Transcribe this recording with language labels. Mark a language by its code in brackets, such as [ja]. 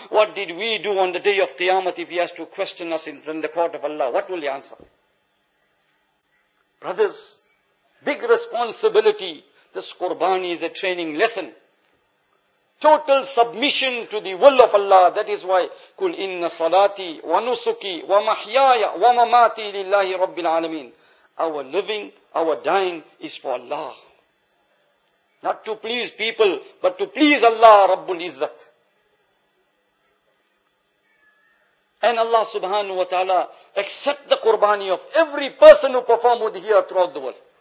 [en] What did we do on the day of Qiyamah if he has to question us in the court of Allah? What will he answer? Brothers, big responsibility. This Qurbani is a training lesson. total submission to the will of Allah. That is why, [ar] قُلْ إِنَّ صَلَاتِي وَنُسُكِي وَمَحْيَايَ وَمَمَاتِي لِلَّهِ رَبِّ الْعَالَمِينَ. [en] Our living, our dying is for Allah. Not to please people, but to please Allah, Rabbul Izzat. And Allah subhanahu wa ta'ala accept the qurbani of every person who perform with here throughout the world.